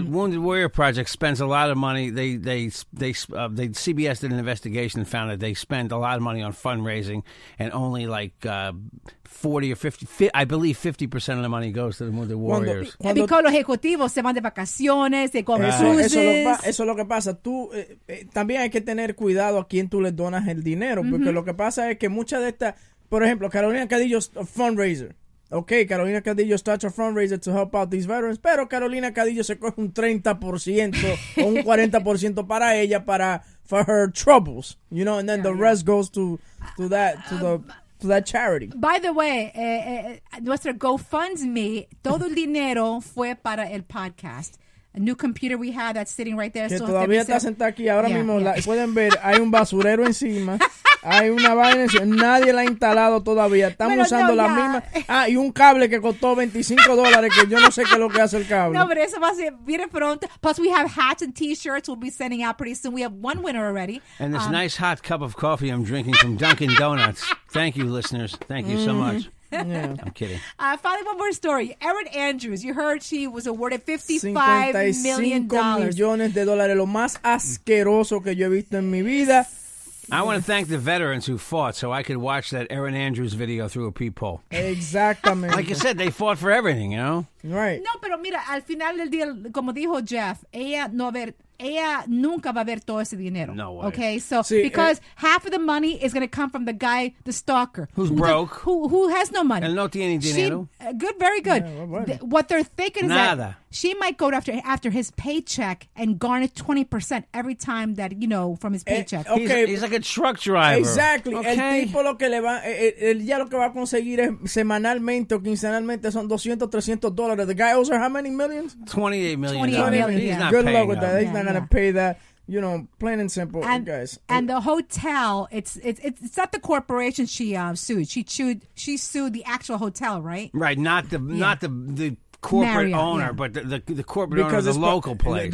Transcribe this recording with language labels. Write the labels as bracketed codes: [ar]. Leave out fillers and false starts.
[en] Wounded Warrior Project spends a lot of money. CBS did an investigation and found that they spend a lot of money on fundraising and only 50% of the money goes to the Wounded Warriors. Because [es] los ejecutivos se van de vacaciones, se comen sus. Eso es lo que pasa. Tú también hay que tener cuidado a quién tú le donas el dinero, porque lo que pasa es que muchas de estas, por ejemplo, [en] Carolina Cadillo's a fundraiser. Okay, Carolina Cadillo starts a fundraiser to help out these veterans, [es] pero Carolina Cadillo se coge un 30% o un 40% para ella [en] for her troubles, you know, and then the rest goes to that charity. By the way, [es] nuestro GoFundMe, todo el dinero fue para el podcast. [en] A new computer we have that's sitting right there. [es] Que todavía está sentada aquí. Ahora mismo, pueden ver, hay un basurero encima. Hay una vaina encima. Nadie la ha instalado todavía. Estamos usando la misma. Y un cable que costó $25, que yo no sé qué es lo que hace el cable. No, pero eso va a ser bien pronto. [en] Plus, we have hats and T-shirts we'll be sending out pretty soon. We have one winner already. And this nice hot cup of coffee I'm drinking from Dunkin' Donuts. Thank you, listeners. Thank you so much. Yeah. I'm kidding. Finally, one more story. Erin Andrews, you heard she was awarded $55 million. [es] Lo más asqueroso que yo he visto en mi vida. [en] I want to thank the veterans who fought so I could watch that Erin Andrews video through a peephole. Exactly. Like you said, they fought for everything, you know? Right. [es] No, pero mira, al final del día, como dijo Jeff, ella no haber ella nunca va a ver todo ese dinero. [en] No way. Okay, so see, because half of the money is going to come from the guy, the stalker. Who's broke. Who has no money. [es] El no tiene dinero. [en] She, good, very good. Yeah, what they're thinking is that she might go after his paycheck and garner 20% every time that, you know, from his paycheck. Okay. He's like a truck driver. Exactly. Okay. [es] El tipo lo que le va, el ya lo que va a conseguir es semanalmente o quincenalmente son $200-$300. [en] The guy owes her how many millions? $28 million. $28 million. Good luck with that. He's not going to pay that, you know, plain and simple, and, guys. And the hotel, it's not the corporation she sued. She sued the actual hotel, right? Right, not the corporate Marriott, owner, yeah. But the corporate because owner of the local place.